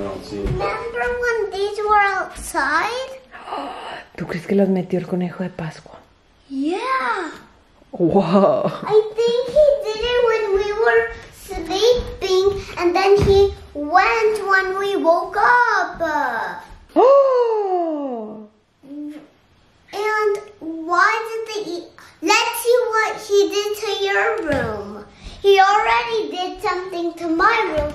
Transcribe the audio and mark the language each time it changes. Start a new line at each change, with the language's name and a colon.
English: Remember when these were outside?
Spanish: ¿Tú crees que los metió el conejo de Pascua?
English: Yeah. Wow. I think he did it when we were sleeping, and then he went when we woke up. Oh. And why did they eat? Let's see what he did to your room. He already did something to my room.